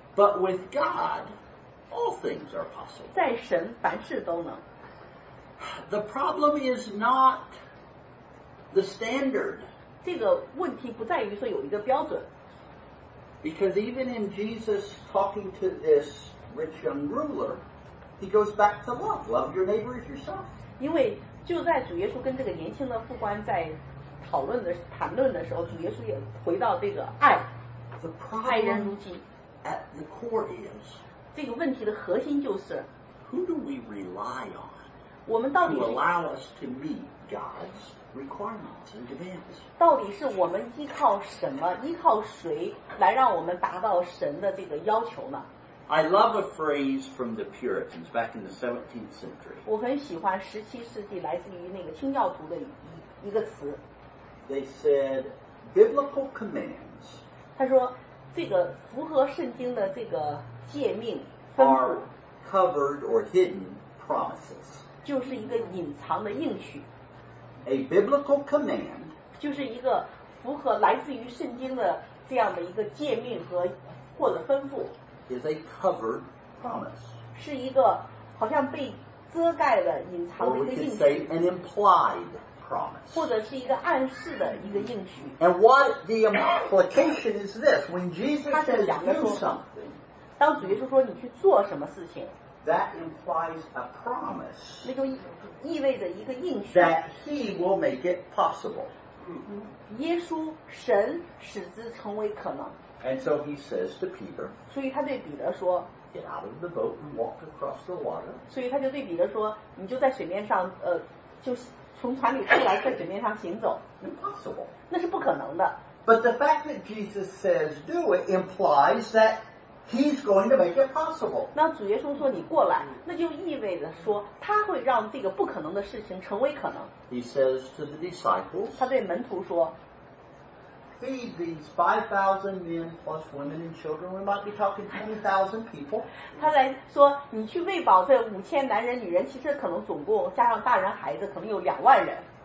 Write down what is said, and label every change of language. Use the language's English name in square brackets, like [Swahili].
[English] But with God, all things are possible. [Chinese] 在神凡事都能。 [English] The problem is not the standard. [Chinese] 这个问题不在于说有一个标准。 [English] Because even in Jesus talking to this rich young ruler, he goes back to love. Love your neighbor as yourself. [Chinese] 因为就在主耶稣跟这个年轻的副官在谈论的时候，主耶稣也回到这个爱，爱人如己。 [English] At the core is [Chinese] 这个问题的核心就是 [English] who do we rely on? [Chinese] 我们到底 [English] to allow us to meet God's requirements and demands? [Chinese] 到底是我们依靠什么，依靠谁来让我们达到神的这个要求呢？ [English] I love a phrase from the Puritans back in the 17th century. [Chinese] 我很喜欢十七世纪来自于那个清教徒的一个词。 [English] They said biblical commands. [Chinese] 他说这个符合圣经的这个诫命。 [English] Are covered or hidden promises. [Chinese] 就是一个隐藏的应许。 [English] A biblical command. [Chinese] 就是一个符合来自于圣经的这样的一个诫命和或者吩咐。 [English] Is a covered promise. [Chinese] 是一个好像被遮盖的隐藏的一个应许。 [English] Or we can say an implied promise. [Chinese] 或者是一个暗示的一个应许。 [English] And what the implication is this. When Jesus says do something. [Chinese] 当主耶稣说你去做什么事情。 [English] That implies a promise. [Chinese] 那就意味着一个应许。 [English] That he will make it possible. [Chinese] 耶稣神使之成为可能。 [English] And so he says to Peter, [Chinese] 所以他对彼得说 [English] get out of the boat and walk across the water. [Chinese] 所以他就对彼得说你就在水面上就从船里出来在水面上行走 [English] Impossible. [Chinese] 那是不可能的 [English] But the fact that Jesus says do it implies that he's going to make it possible. [Chinese] 那主耶稣说你过来那就意味着说他会让这个不可能的事情成为可能 [English] He says to the disciples, [Chinese] 他对门徒说 [English] Feed these 5,000 men plus women and children. We might be talking 20,000 people. [Chinese] 他来说，你去喂饱这五千男人女人，其实可能总共加上大人孩子，可能有两万人。